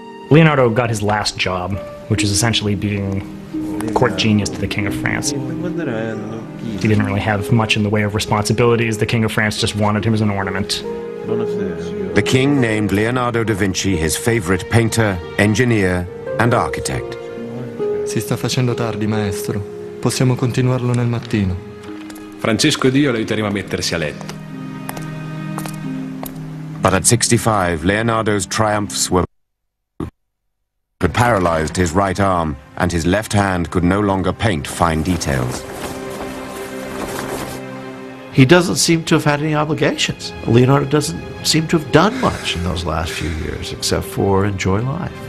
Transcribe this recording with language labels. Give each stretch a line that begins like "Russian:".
English: Leonardo got his last job, which is essentially being court genius to the King of France. He didn't really have much in the way of responsibilities. The King of France just wanted him as an ornament. The King named Leonardo da Vinci his favorite painter, engineer, and architect.
Italian: Si sta facendo tardi, maestro. Possiamo continuarlo nel mattino. Francesco ed io lo aiuteremo a mettersi a letto.
English: But at 65, Leonardo's triumphs were had paralyzed his right arm, and his left hand could no longer paint fine details. He doesn't seem to have had any obligations. Leonardo doesn't seem to have done much in those last few years, except for enjoy life.